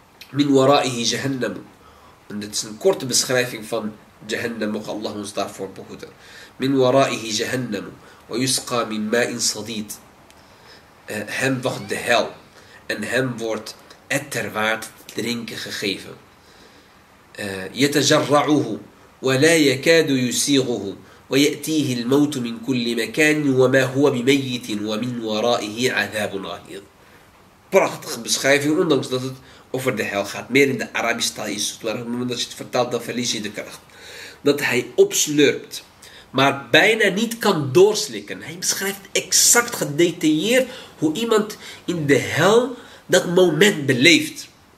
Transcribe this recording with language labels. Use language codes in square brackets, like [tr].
[ar] Min wara'ihi jahannam. [nl] En dit is een korte beschrijving van jahannam. Mocht Allah ons daarvoor behoeden. [ar] Min wara'ihi jahannam. Wa yusqa min ma'in sadid. [nl] Hem wacht de hel. En hem wordt etterwaard drinken gegeven. [ar] يتجرعه ولا يكاد يسيغه ويأتيه الموت من كل مكان وما هو بميت ومن ورائه عذاب غليظ. [nl] Prachtige beschrijving, ondanks dat het over de hel gaat. Meer in de Arabische taal is het, maar op het moment dat je het vertaalt, dan verlies je de kracht. Dat hij opslurpt, maar bijna niet kan doorslikken. Hij beschrijft exact gedetailleerd hoe iemand in de hel dat moment beleeft.